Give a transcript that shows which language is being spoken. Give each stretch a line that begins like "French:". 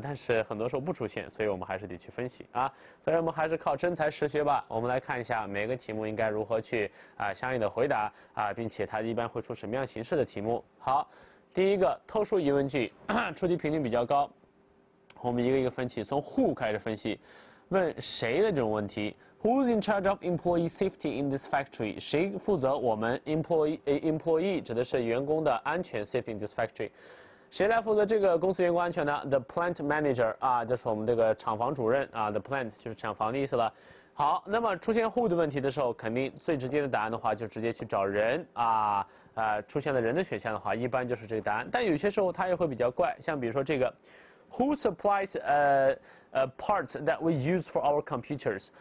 Chinese: 但是很多时候不出现，所以我们还是得去分析啊。所以我们还是靠真才实学吧。我们来看一下每个题目应该如何去啊相应的回答啊，并且它一般会出什么样形式的题目。好，第一个特殊疑问句，出题频率比较高，我们一个一个分析，从 who 开始分析，问谁的这种问题。
English: Who's in charge of employee safety in this factory?
Chinese: 谁负责我们 employee 指的是员工的安全
English: safety in this factory?
Chinese: 谁来负责这个公司员工安全呢？
English: The plant manager
Chinese: 啊，就是我们这个厂房主任啊。
English: The plant
Chinese: 就是厂房的意思了。好，那么出现 who 的问题的时候，肯定最直接的答案的话，就直接去找人啊。出现了人的选项的话，一般就是这个答案。但有些时候它也会比较怪，像比如说这个。
English: Who supplies parts that we use for our computers?